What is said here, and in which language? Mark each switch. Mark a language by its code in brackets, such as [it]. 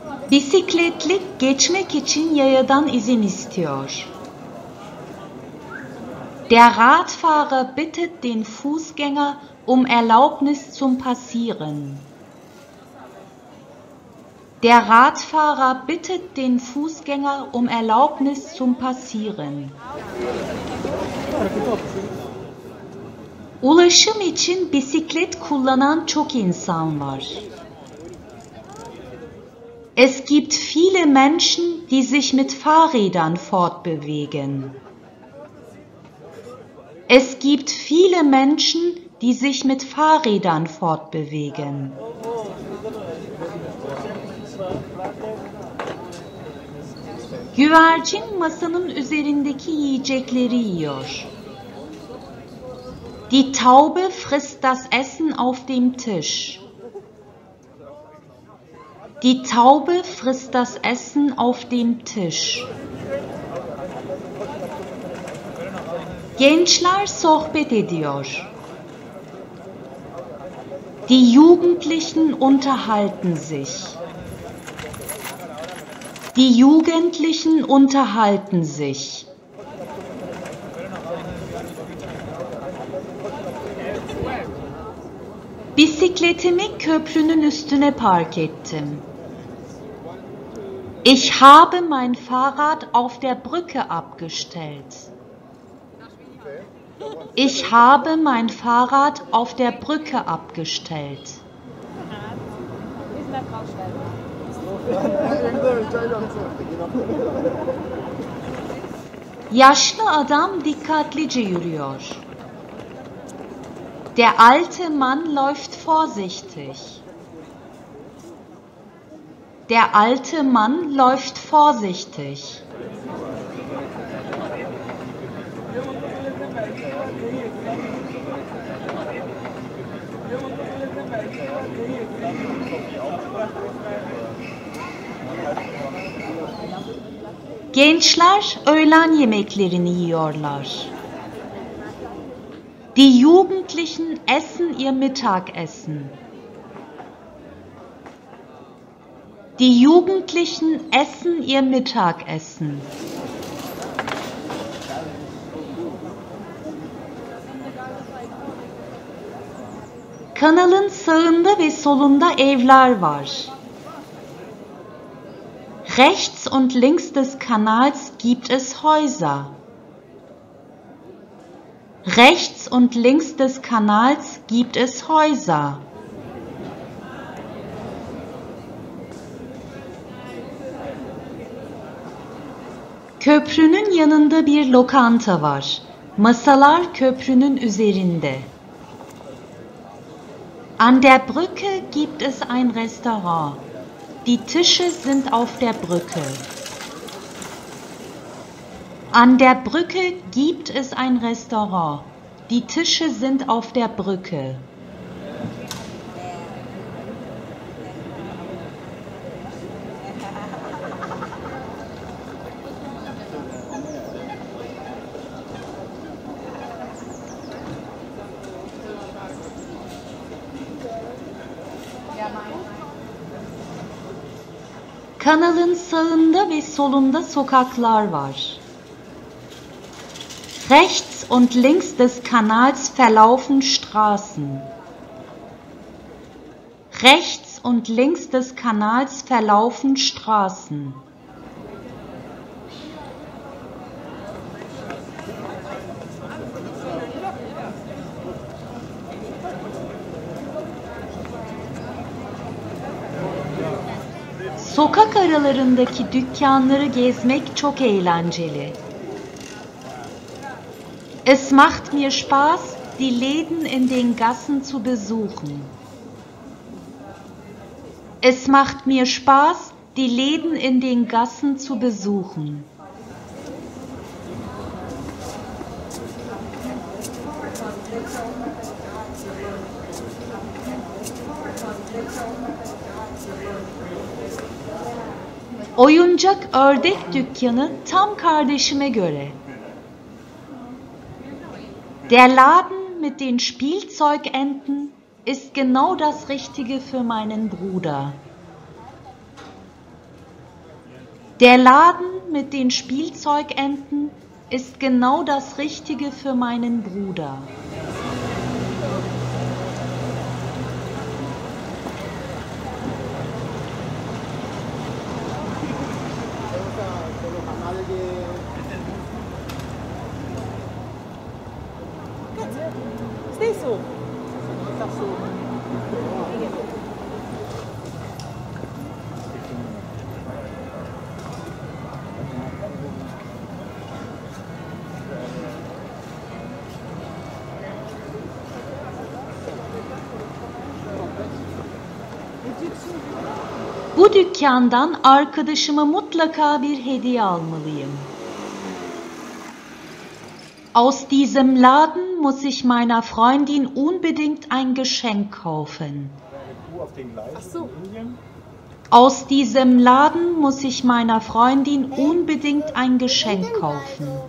[tr] Bisikletlik geçmek için yayadan izin istiyor. [de] Der Radfahrer bittet den Fußgänger um Erlaubnis zum Passieren. Der Radfahrer bittet den Fußgänger um Erlaubnis zum Passieren. [tr] Ulaşım için bisiklet kullanan çok insan var. [de] Es gibt viele Menschen, die sich mit Fahrrädern fortbewegen. Es gibt viele Menschen, die sich mit Fahrrädern fortbewegen. Oh. [tr] Güvercin masanın üzerindeki yiyecekleri yiyor. [de] Die Taube frisst das Essen auf dem Tisch. Die Taube frisst das Essen auf dem Tisch. [tr] Gençler sohbet ediyor. [de] Die Jugendlichen unterhalten sich. Die Jugendlichen unterhalten sich. [tr] Bisikletimi köprünün üstüne park ettim. [de] Ich habe mein Fahrrad auf der Brücke abgestellt. Ich habe mein Fahrrad auf der Brücke abgestellt. [tr] Yaşlı adam dikkatlice yürüyor. [de] Der alte Mann läuft vorsichtig. Der alte Mann läuft vorsichtig. [tr] Gençler öğlen yemeklerini yiyorlar. [de] Die Jugendlichen essen ihr Mittagessen. Die Jugendlichen essen ihr Mittagessen. [tr] Kanalın sağında ve solunda evler var. [de] Rechts und links des Kanals gibt es Häuser. Rechts und links des Kanals gibt es Häuser. [tr] Köprünün yanında bir lokanta var. Masalar köprünün üzerinde. [de] An der Brücke gibt es ein Restaurant. Die Tische sind auf der Brücke. An der Brücke gibt es ein Restaurant. Die Tische sind auf der Brücke. [tr] Kanalın sağında ve solunda sokaklar var. [de] Rechts und links des Kanals verlaufen Straßen. Rechts und links des Kanals verlaufen Straßen. [tr] Sokak aralarındaki dükkanları gezmek çok eğlenceli. [de] Es macht mir Spaß, die Läden in den Gassen zu besuchen. Es macht mir Spaß, die Läden in den Gassen zu besuchen. [tr] Oyuncak ördek dükkanı tam kardeşime göre. [de] Der Laden mit den Spielzeugenten ist genau das Richtige für meinen Bruder. Der Laden mit den Spielzeugenten ist genau das Richtige für meinen Bruder. [tr] Bu dükkandan arkadaşıma mutlaka bir hediye almalıyım. [de] Aus diesem Laden muss ich meiner Freundin unbedingt ein Geschenk kaufen. Aus diesem Laden muss ich meiner Freundin unbedingt ein Geschenk kaufen.